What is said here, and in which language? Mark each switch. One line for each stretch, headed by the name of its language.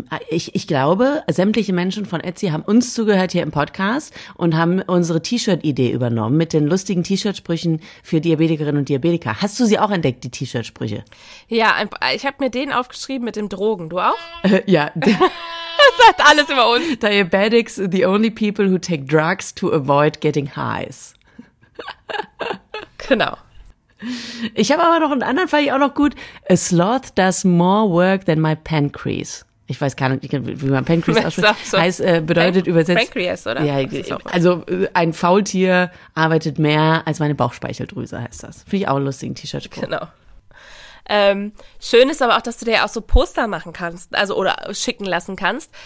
German: Ich glaube, sämtliche Menschen von Etsy haben uns zugehört hier im Podcast und haben unsere T-Shirt-Idee übernommen mit den lustigen T-Shirt-Sprüchen für Diabetikerinnen und Diabetiker. Hast du sie auch entdeckt, die T-Shirt-Sprüche? Ja, ich habe mir den aufgeschrieben mit dem Drogen. Du auch? Ja. Das sagt alles über uns.
English: Diabetics are the only people who take drugs to avoid getting highs.
German: Genau. Ich habe aber noch einen anderen, fand ich auch noch gut.
English: A sloth does more work than my pancreas.
German: Ich weiß gar nicht, wie man Pancreas ausspricht. Heißt, bedeutet übersetzt. Pancreas, oder? Ja, also ein Faultier arbeitet mehr als meine Bauchspeicheldrüse, heißt das. Finde ich auch einen lustigen T-Shirt-Spruch. Genau. Schön ist aber auch, dass du dir auch so Poster machen kannst, also oder schicken lassen kannst.